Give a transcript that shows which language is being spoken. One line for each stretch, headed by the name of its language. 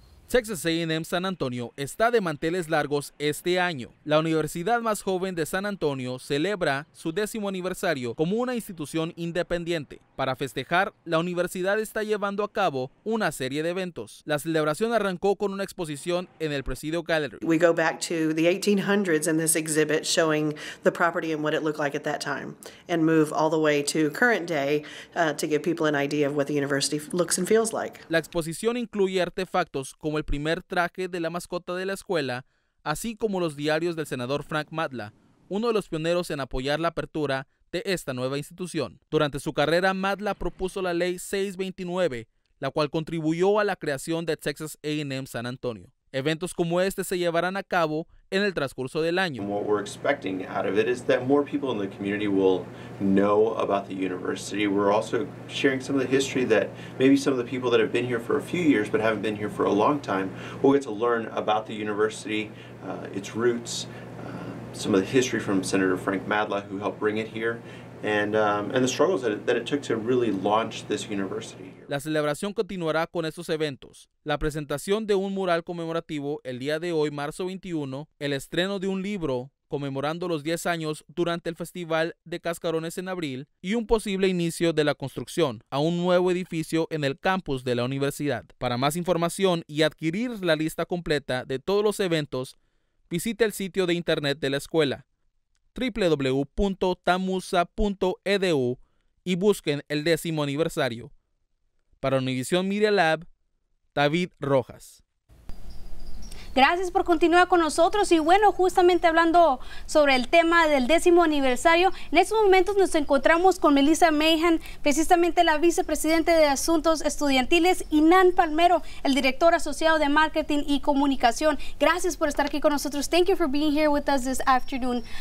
Spanish: Texas A&M San Antonio está de manteles largos este año. La universidad más joven de San Antonio celebra su 10º aniversario como una institución independiente. Para festejar, la universidad está llevando a cabo una serie de eventos. La celebración arrancó con una exposición en el Presidio Gallery.
English: We go back to the 1800s and this exhibit showing the property and what it looked like at that time, and move all the way to current day to give people an idea of what the university looks and feels like.
Spanish: La exposición incluye artefactos como el primer traje de la mascota de la escuela, así como los diarios del senador Frank Matla, uno de los pioneros en apoyar la apertura de esta nueva institución. Durante su carrera, Matla propuso la ley 629, la cual contribuyó a la creación de Texas A&M San Antonio. Eventos como este se llevarán a cabo en el transcurso del año.
English: What we're expecting out of it is that more people in the community will know about the university. We're also sharing some of the history that maybe some of the people that have been here for a few years but haven't been here for a long time will get to learn about the university, its roots, some of the history from Senator Frank Matla, who helped bring it here, and the struggles that it took to really launch this university.
Spanish: La celebración continuará con estos eventos: la presentación de un mural conmemorativo el día de hoy, marzo 21, el estreno de un libro conmemorando los 10 años durante el Festival de Cascarones en abril, y un posible inicio de la construcción a un nuevo edificio en el campus de la universidad. Para más información y adquirir la lista completa de todos los eventos, visite el sitio de internet de la escuela, www.tamusa.edu, y busquen el 10º aniversario. Para Univision Media Lab, David Rojas. Gracias por continuar con nosotros. Y bueno, justamente hablando sobre el tema del 10º aniversario, en estos momentos nos encontramos con Melissa Mahan, precisamente la vicepresidenta de Asuntos Estudiantiles, y Nan Palmero, el director asociado de Marketing y Comunicación. Gracias por estar aquí con nosotros.
English: Thank you for being here with us this afternoon.